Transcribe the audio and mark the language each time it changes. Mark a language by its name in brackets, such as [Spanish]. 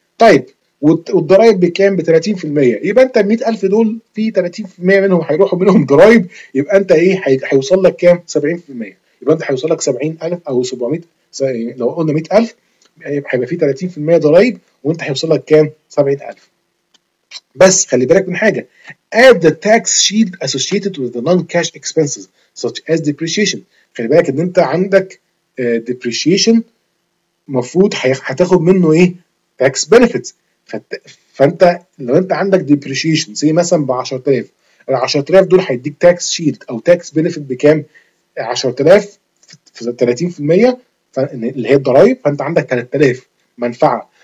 [Arabic] طيب والضرايب بكام؟ ب 30%. يبقى انت ال 100,000 دول في 30% منهم هيروحوا منهم ضرايب، يبقى انت ايه هيوصل لك كام؟ 70%. يبقى انت هيوصل لك 70,000 او 700، لو قلنا 100,000 هيبقى في 30% ضرايب، وانت هيوصل لك كام؟ 70,000. [English] بس خلي بالك من حاجه، add the tax shield associated with the non-cash expenses such as depreciation. [Arabic] خلي بالك ان انت عندك depreciation مفروض هتاخد منه ايه؟ tax benefits. فانت لو انت عندك depreciation زي مثلا ب 10,000، ال 10,000 دول هيديك tax shield او tax benefit بكام؟ 10,000 في 30% اللي هي الضرايب، فانت عندك 3,000 منفعه.